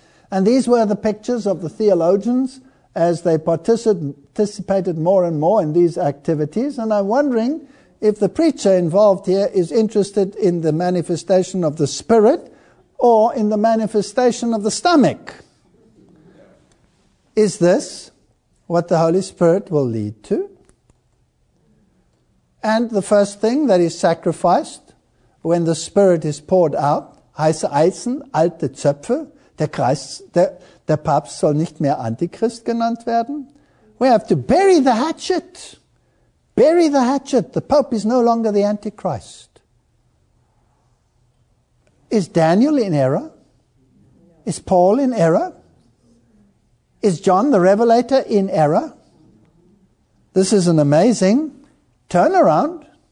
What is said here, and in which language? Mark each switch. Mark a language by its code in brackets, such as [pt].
[en] And these were the pictures of the theologians as they participated more and more in these activities. And I'm wondering if the preacher involved here is interested in the manifestation of the Spirit or in the manifestation of the stomach. Is this what the Holy Spirit will lead to? And the first thing that is sacrificed when the Spirit is poured out, [de] heiße Eisen, alte Zöpfe, der Christ, der Papst soll nicht mehr Antichrist genannt werden. [en] We have to bury the hatchet. Bury the hatchet. The Pope is no longer the Antichrist. Is Daniel in error? Is Paul in error? Is John the Revelator in error? This is an amazing turnaround.